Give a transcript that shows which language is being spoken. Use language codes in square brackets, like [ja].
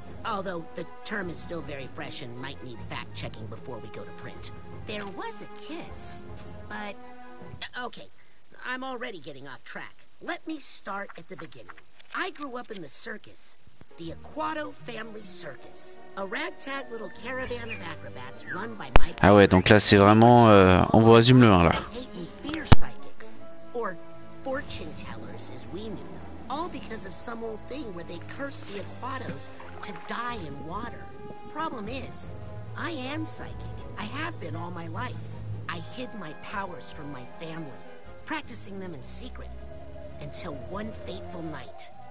[en] Although the term is still very fresh and might need fact checking before we go to print. There was a kiss, but okay. I'm already getting off track. Let me start at the beginning. I grew up in the circus, the Aquato Family Circus, a ragtag little caravan of acrobats run by my... [fr] Ah ouais, donc là c'est vraiment on vous résume le 1 là. [en] Fear psychics, or fortune tellers as we knew them, all because of some old thing where they cursed the Aquatos to die in water. Problem is, I am psychic. I have been all my life. I hid my powers from my family, practicing them in secret, until one fateful night.